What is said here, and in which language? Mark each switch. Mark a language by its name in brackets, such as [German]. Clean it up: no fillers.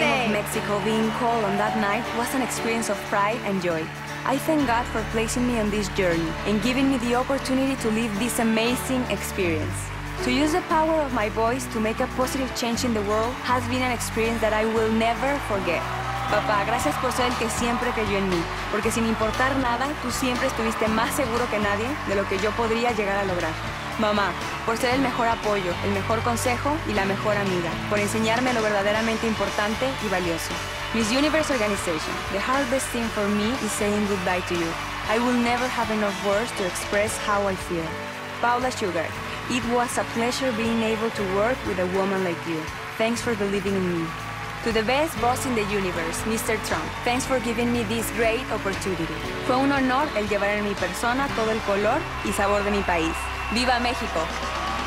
[English] In the name of Mexico, being called on that night was an experience of pride and joy. I thank God for placing me on this journey and giving me the opportunity to live this amazing experience. To use the power of my voice to make a positive change in the world has been an experience that I will never forget. [Spanish] Papá, gracias por ser el que siempre creyó en mí, porque sin importar nada, tú siempre estuviste más seguro que nadie de lo que yo podría llegar a lograr. Mamá, por ser el mejor apoyo, el mejor consejo y la mejor amiga, por enseñarme lo verdaderamente importante y valioso. [English] Miss Universe Organization, the hardest thing for me is saying goodbye to you. I will never have enough words to express how I feel. Paula Sugar, it was a pleasure being able to work with a woman like you. Thanks for believing in me. To the best boss in the universe, Mr. Trump, thanks for giving me this great opportunity. [Spanish] Fue un honor el llevar en mi persona todo el color y sabor de mi país. ¡Viva México!